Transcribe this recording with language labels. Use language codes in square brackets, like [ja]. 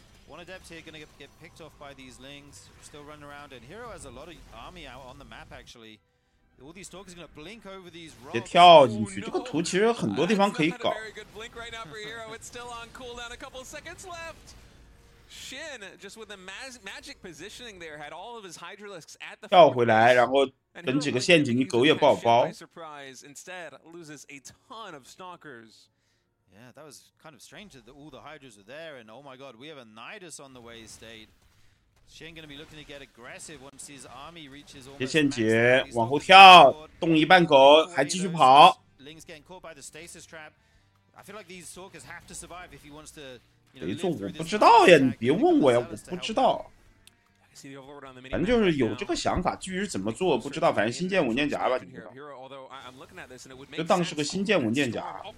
[en] One adept here gonna get picked off by these lings. Still running around, and Hero has a lot of army out on the map. Actually, all these stalkers gonna blink over these rocks. [zh] 别跳进去！这个图其实很多地方可以搞。 [en] Very good blink right now for Hero. It's still on cooldown. A couple seconds left. Shin just with the magic positioning there had all of his hydralisks at the. [zh] 跳回来，然后等几个陷阱，你狗也不好包。 [en] Surprise! Instead, loses a ton of stalkers. Yeah, that was kind of strange that all the Hydras were there, and oh my god, we have a Nidus on the way state. Shin gonna be looking to get aggressive once his army reaches almost. [zh] 接陷阱，往后跳，动一半狗，还继续跑。 [en] Ling's getting caught by the stasis trap. I feel like these stalkers have to survive if he wants to. [zh] 雷座，我不知道呀，你别问我呀，我不知道。反正就是有这个想法，至于怎么做不知道，反正新建文件夹吧，你知道，就当是个新建文件夹。